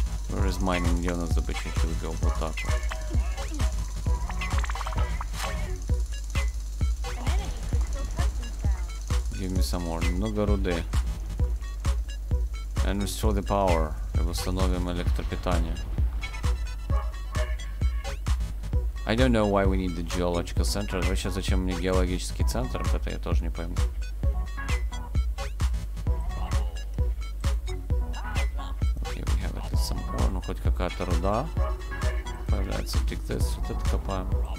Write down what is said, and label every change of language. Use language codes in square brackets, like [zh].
[en] Where is mining? [ru] Где у нас добыча? [en] Here we go. [ru] Вот так вот. [en] Give me some ore. [ru] Немного руды. [en] And restore the power. [ru] И восстановим электропитание. [en] I don't know why we need the geological center. [ru] Вообще, зачем мне геологический центр? Это я тоже не пойму. [en] Okay, we have at least some ore. [ru] Ну, хоть какая-то руда появляется. [en] Take this. [ru] Вот это копаем.